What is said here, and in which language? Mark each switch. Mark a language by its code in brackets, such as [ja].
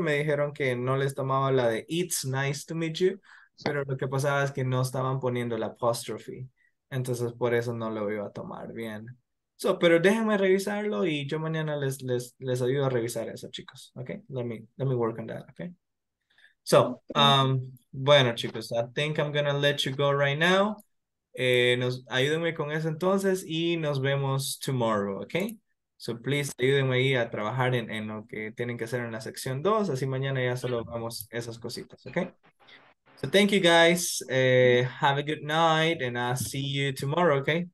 [es] Me dijeron que no les tomaba la de [en] it's nice to meet you, [es] pero lo que pasaba es que no estaban poniendo la apostrophe. Entonces, por eso no lo iba a tomar bien. So, pero déjenme revisarlo y yo mañana les ayudo a revisar eso, chicos. [en] Okay? Let me work on that, okay? So, [es] bueno, chicos, [en] I think I'm gonna let you go right now. [es] Ayúdenme con eso entonces y nos vemos tomorrow, okay? So, please, ayúdenme ahí a trabajar en lo que tienen que hacer en la sección 2. Así mañana ya solo vamos esas cositas, okay? [en] So thank you guys. Have a good night and I'll see you tomorrow, okay?